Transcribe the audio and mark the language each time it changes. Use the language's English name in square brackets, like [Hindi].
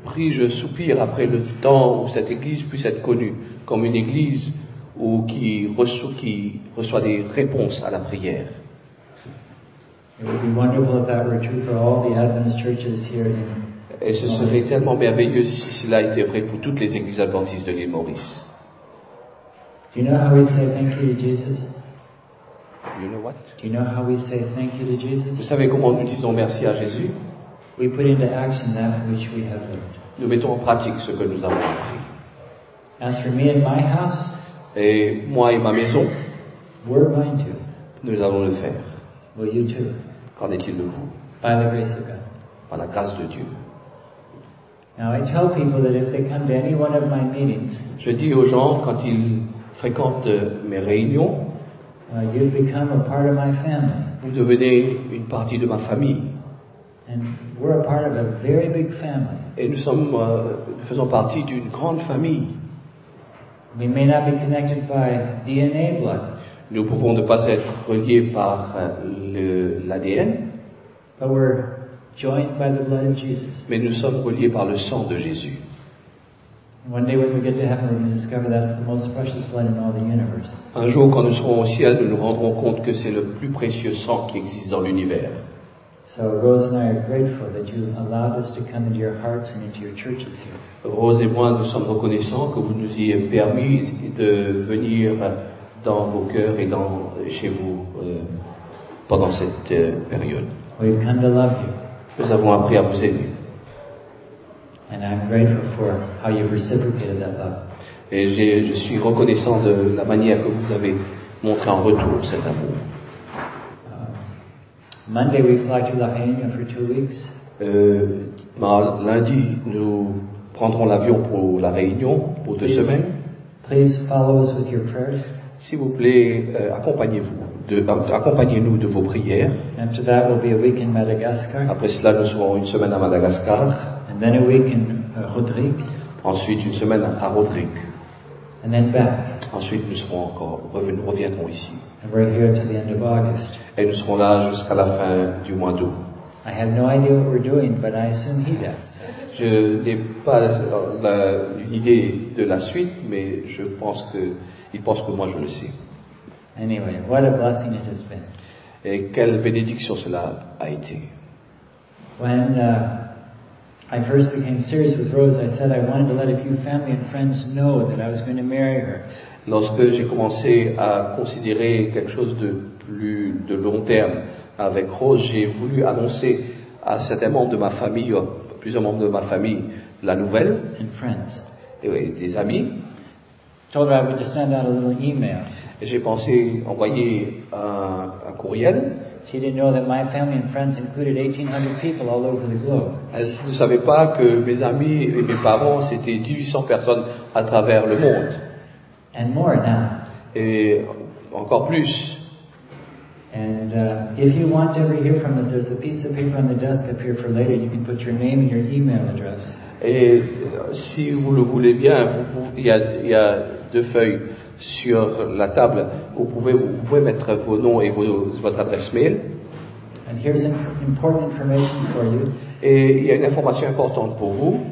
[French] Je soupire après le temps où cette église puisse être connue comme une église où qui reçoit des réponses à la prière. [English] It would be wonderful if that were true for all the Adventist churches here in [French] Et ce serait tellement merveilleux si cela était vrai pour toutes les églises adventistes de l'île Maurice. [English] Do you know how we say thank you to Jesus? You know what? Do you know how we say thank you to Jesus? [French] Vous savez comment nous disons merci à Jésus? [English] We put into action that which we have learned. [French] Nous mettons en pratique ce que nous avons appris. [English] As for me and my house, [French] et moi et ma maison, [English] we're going to. [French] Nous allons le faire. [English] Will you too? [French] Qu'en est-il de vous? [English] By the grace of God. [French] Par la grâce de Dieu. [English] Now I tell people that if they come to any one of my meetings, [French] je dis aux gens quand ils fréquentent mes réunions, [English] you become a part of my family. [French] Vous devenez une partie de ma famille. [English] And we're a part of a very big family. [French] Et nous sommes, nous faisons partie d'une grande famille. [English] We may not be connected by DNA blood. [French] Nous pouvons ne pas être reliés par l'ADN. [English] But we're joined by the blood of Jesus. [French] Mais nous sommes reliés par le sang de Jésus. [English] One day when we get to heaven, we're going to discover that's the most precious blood in all the universe. [French] Un jour, quand nous serons au ciel, nous nous rendrons compte que c'est le plus précieux sang qui existe dans l'univers. [English] So Rose and I are grateful that you allowed us to come into your hearts and into your churches here. [French] Rose et moi, nous sommes reconnaissants que vous nous ayez permis de venir dans vos cœurs et dans chez vous pendant cette période. [English] We've come to love you. [French] Nous avons appris à vous aimer. [English] And I'm grateful for how you reciprocated that love. [French] Et je suis reconnaissant de la manière que vous avez montré en retour cet amour. [English] Monday we fly to La Reunion for 2 weeks. [French] Lundi nous prendrons l'avion pour La Réunion pour 2 semaines. [English] Please follow us with your prayers. [French] S'il vous plaît, accompagnez-nous de vos prières. [English] After that will be a week in Madagascar. [French] Après cela, nous serons une semaine à Madagascar. [English] And then a week in Rodrigue. [French] Ensuite, une semaine à Rodrigue. [English] And then back. [French] Ensuite, nous serons encore reviendrons ici. [English] And we're here till the end of August. [French] Et nous serons là jusqu'à la fin du mois d'août. [English] I have no idea what we're doing, but I assume he does. [French] Je n'ai pas l'idée de la suite, mais je pense que il pense que moi je le sais. [English] Anyway, what a blessing it has been. [French] Et quelle bénédiction cela a été. [English] When I first became serious with Rose, I said I wanted to let a few family and friends know that I was going to marry her. [French] Lorsque j'ai commencé à considérer quelque chose de plus de long terme avec Rose, j'ai voulu annoncer à certains membres de ma famille, ou à plusieurs membres de ma famille, la nouvelle. [English] And friends. [French] Et oui, des amis. [English] Told her I would just send out a little email. [French] Et j'ai pensé envoyer un courriel. [English] She didn't know that my family and friends included 1,800 people all over the globe. [French] Elle ne savait pas que mes amis et mes parents c'était 1,800 personnes à travers le monde. [English] And more now. [French] Et encore plus. [English] And if you want to ever hear from us, there's a piece of paper on the desk up here for later. You can put your name and your email address. [French] Et si vous le voulez bien, il y a deux feuilles sur la table. Vous pouvez mettre vos noms et votre adresse mail. [English] And here's an important information for you. [French] Et il y a une information importante pour vous.